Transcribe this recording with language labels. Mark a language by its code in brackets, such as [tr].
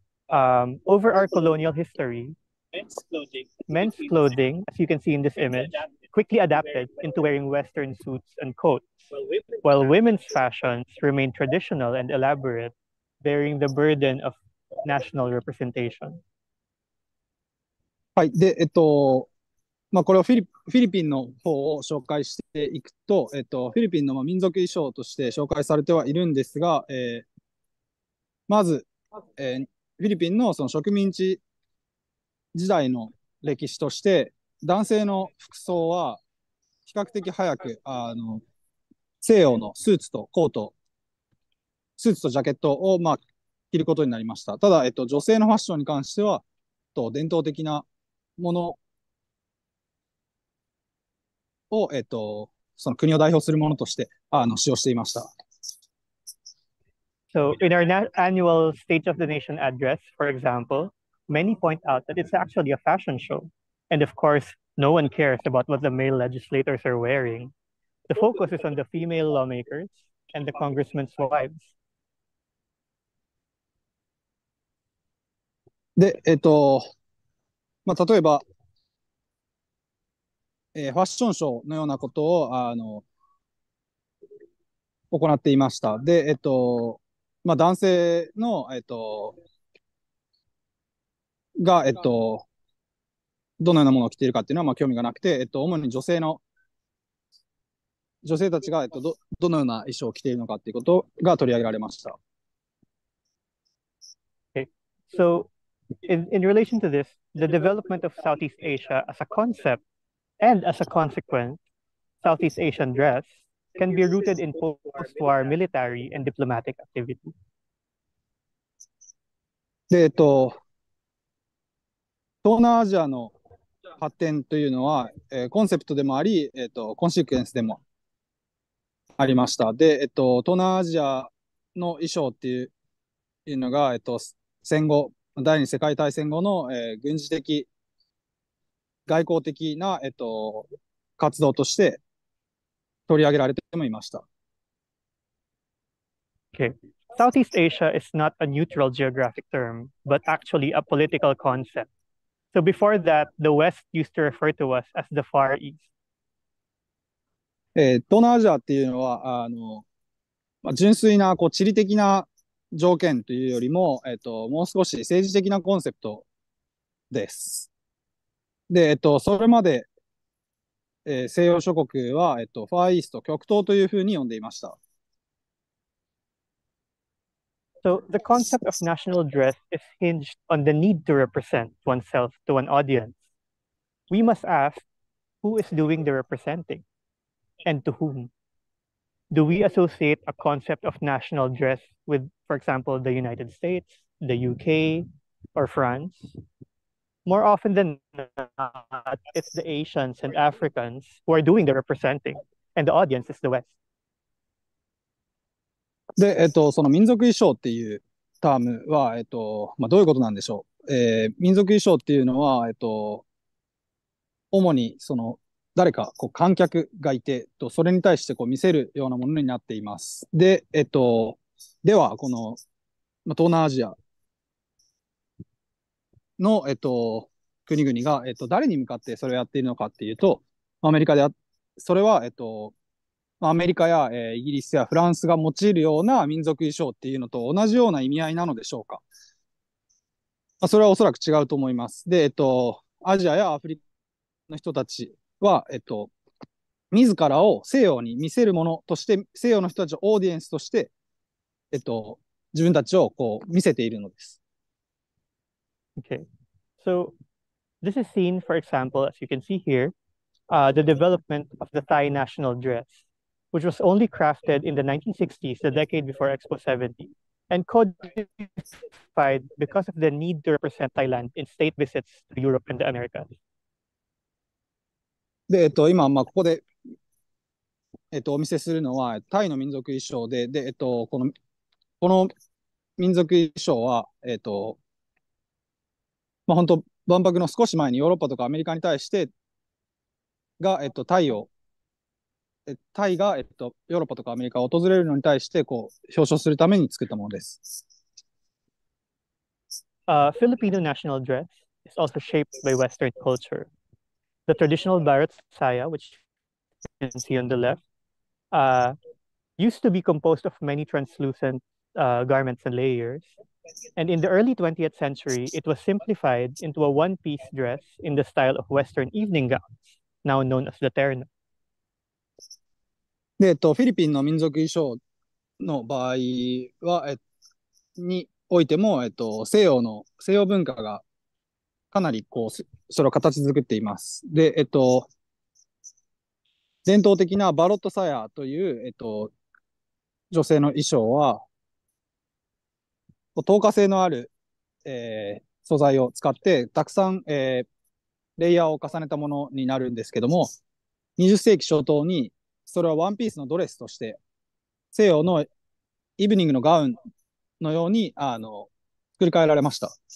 [en] Over our colonial history, men's clothing, as you can see in this image, quickly adapted into wearing Western suits and coats, while women's fashions remained traditional and elaborate, bearing the burden of national representation. [ja] はい、で、まあ、これをフィリピンの方を紹介していくと、フィリピンの民族衣装として紹介されてはいるんですが、まず、フィリピンの その植民地時代の歴史として、男性の服装は比較的早く、西洋のスーツとコート、スーツとジャケットを、まあ、着ることになりました。ただ、女性のファッションに関しては、伝統的なもの、を、その国を代表するものとして使用していました。 [en] So, in our annual State of the Nation address, for example, many point out that it's actually a fashion show. And of course, no one cares about what the male legislators are wearing. The focus is on the female lawmakers and the congressmen's wives. [ja] で、まあ、例えば、ファッションショーのようなことを行っていました。で、まあ、男性の、が、どのようなものを着ているかっていうのは、まあ、興味がなくて、主に女性たちが、どのような衣装を着ているのかっていうことが取り上げられました。 [en] Okay. So, in relation to this, the development of Southeast Asia as a concept. And as a consequence, Southeast Asian dress can be rooted in post-war military and diplomatic activity. [ja] で、東南アジアの発展というのは、コンセプトでもあり、コンシクエンスでもありました。で、東南アジアの衣装っていうのが、戦後、第二次世界大戦後の、軍事的外交的な、活動として取り上げられてもいました。 [en] Okay. Southeast Asia is not a neutral geographic term, but actually a political concept. So before that, the West used to refer to us as the Far East. [ja] 東南アジアっていうのは、まあ、純粋なこう地理的な条件というよりも、もう少し政治的なコンセプトです。で、それまで、西洋諸国は、ファーイースト、極東というふうに呼んでいました。 [en] So, the concept of national dress is hinged on the need to represent oneself to an audience. we must ask who is doing the representing and to whom. Do we associate a concept of national dress with, for example, the United States, the UK, or France? More often than not, it's the Asians and Africans who are doing the representing, and the audience is the West. [ja] で、その民族衣装っていうタームは、まあ、どういうことなんでしょう。民族衣装っていうのは、主にその誰かこう観客がいて、それに対してこう見せるようなものになっています。で、では、この、まあ、東南アジアの、国々が、誰に向かってそれをやっているのかっていうと、アメリカで、それは、アメリカや、イギリスやフランスが用いるような民族衣装っていうのと同じような意味合いなのでしょうか。まあ、それはおそらく違うと思います。で、アジアやアフリカの人たちは、自らを西洋に見せるものとして、西洋の人たちをオーディエンスとして、自分たちをこう見せているのです。 [en] Okay. So, this is seen, for example, as you can see here, the development of the Thai national dress. Which was only crafted in the 1960s, the decade before Expo 70, and codified because of the need to represent Thailand in state visits to Europe and the Americas. [ja] で、今、まあ、ここで、お見せするのは、タイの民族衣装で、で、この民族衣装は、まあ、本当、万博の少し前にヨーロッパとかアメリカに対して、が、タイを、タイが、ヨーロッパとかアメリカを訪れるのに対してこう表彰するために作ったものです。 [en] Filipino national dress is also shaped by Western culture. The traditional barat saya, which you can see on the left, used to be composed of many translucent garments and layers. And in the early 20th century, it was simplified into a one-piece dress in the style of Western evening gowns, now known as the terno. [ja] で、フィリピンの民族衣装の場合は、においても、西洋文化がかなりこう、それを形作っています。で、伝統的なバロットサヤという、女性の衣装は、透過性のある、素材を使って、たくさん、レイヤーを重ねたものになるんですけども、20世紀初頭に、それはワンピースのドレスとして西洋のイブニングのガウンのように作り替えられました。